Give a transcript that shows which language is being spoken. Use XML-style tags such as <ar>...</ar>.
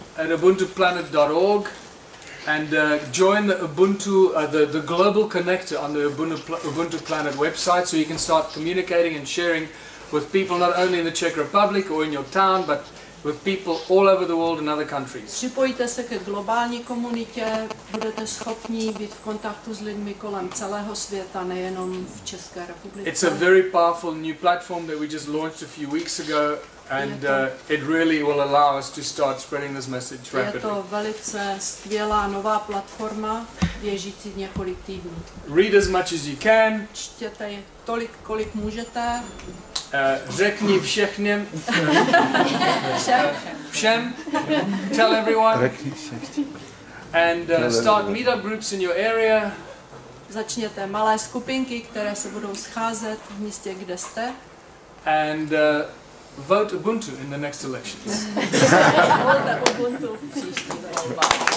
<en>At ubuntuplanet.org and join the Ubuntu the global connector on the Ubuntu Planet website, so you can start communicating and sharing with people not only in the Czech Republic or in your town, but with people all over the world in other countries.</en> <cs>Připojte se ke globální komunitě, budete schopni být v kontaktu s lidmi kolem celého světa, nejenom v České republice.</cs> <en>It's a very powerful new platform that we just launched a few weeks ago, and it really will allow us to start spreading this message rapidly.</en> <cs>Je to velice skvělá nová platforma, běžící několik týdnů.</cs> <en>Read as much as you can.</en> <cs>Čtěte tolik, kolik můžete. Řekni všechnem. Všem.</cs> <en>Tell everyone.</en> <cs>Řekni všem.</cs> <en>And start meetup groups in your area.</en> <cs>Začněte malé skupinky, které se budou scházet v místě, kde jste.</cs> <en>And vote Ubuntu in the next elections. Vote</en> <cs>Ubuntu příští volba.</cs>